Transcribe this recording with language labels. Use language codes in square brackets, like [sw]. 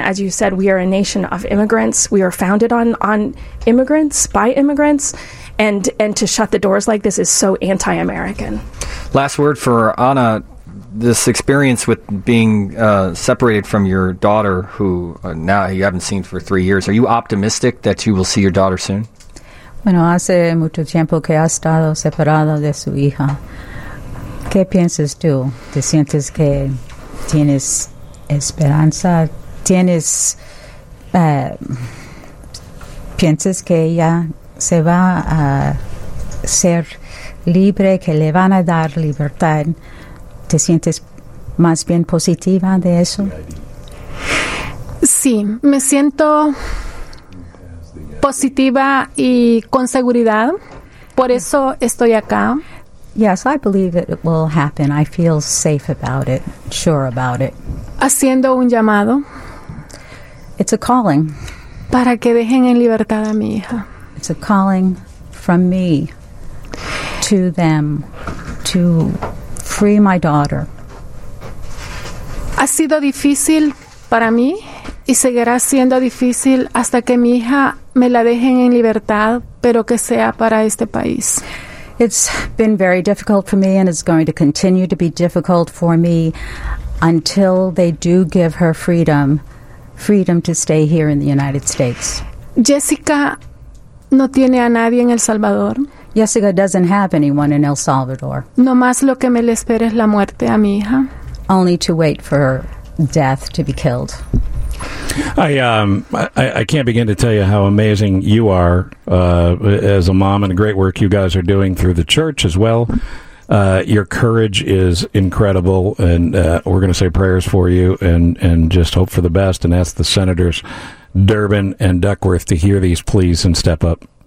[en] As you said, we are a nation of immigrants. We are founded on immigrants, by immigrants. And to shut the doors like this is so anti-American. Last word for Anna. This experience with being separated from your daughter, who now you haven't seen for 3 years, are you optimistic that you will see your daughter soon? [es] Bueno, hace mucho tiempo que ha estado separado de su hija. ¿Qué piensas tú? ¿Te sientes que tienes esperanza? ¿Tienes piensas que ella se va a ser libre, que le van a dar libertad? ¿Te sientes más bien positiva de eso? Sí, me siento positiva y con seguridad. Por eso estoy acá. [en] Yes, I believe it will happen. I feel safe about it, sure about it. [es] Haciendo un llamado. [en] It's a calling. [es] Para que dejen en libertad a mi hija. [en] It's a calling from me to them to free my daughter. [es] Ha sido difícil para mí y seguirá siendo difícil hasta que mi hija me la dejen en libertad, pero que sea para este país. [en] It's been very difficult for me, and it's going to continue to be difficult for me until they do give her freedom to stay here in the United States. [es] Jessica no tiene a nadie en El Salvador. [en] Jessica doesn't have anyone in El Salvador. [es] No más lo que me le espera es la muerte a mi hija. [en] Only to wait for death to be killed. I can't begin to tell you how amazing you are as a mom, and the great work you guys are doing through the church as well. Your courage is incredible, and we're going to say prayers for you and just hope for the best and ask the senators Durbin and Duckworth to hear these pleas and step up.